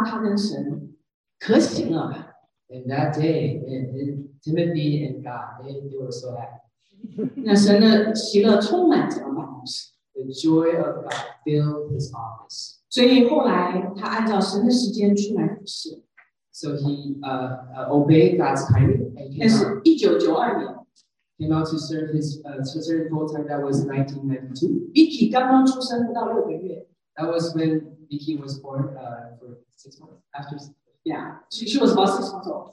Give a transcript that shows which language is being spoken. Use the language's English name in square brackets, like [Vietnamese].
[Chinese] 哇，那一天神跟他们神可喜乐了. [English] And that day, and Timothy and God, they were so happy. [Chinese] 那神的喜乐充满整个办公室. [English] The joy of God filled his office. [Chinese] 所以后来他按照神的时间出来服侍. [English] So he obeyed God's timing. [Chinese] 那是1992年. [English] Came out to serve his serve full time. That was 1992. [Chinese] Vicky 刚刚出生不到6个月. [English] That was when Vicky was born for 6 months after. Yeah, she was about 6 months old.